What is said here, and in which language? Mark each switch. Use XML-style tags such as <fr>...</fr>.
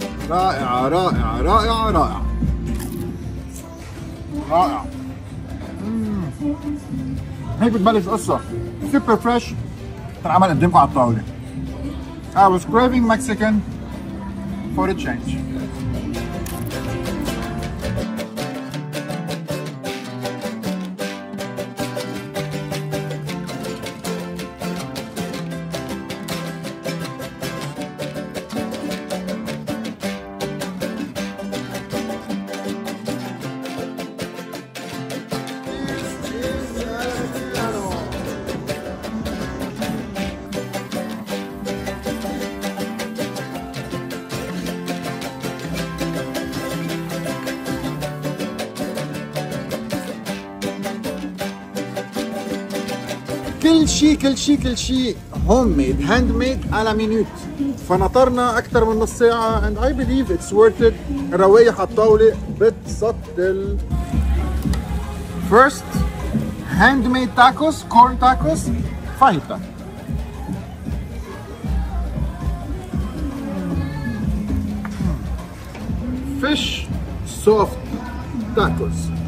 <ar>رائعة رائعة رائعة رائعة رائعة. هيك بتبلش قصة سوبر فريش تنعمل قدامكم على الطاولة.</ar> <en>I was craving Mexican for a change.</en> <ar>كل شيء كل شيء كل شيء</ar> <en>homemade handmade</en> <ar>على مينوت. فنطرنا أكثر من نص ساعة</ar> <en>and I believe it's worth it.</en> <ar>روايح على الطاولة بتسطل.</ar> <en>First handmade tacos, corn tacos, fajita. Fish soft tacos.</en>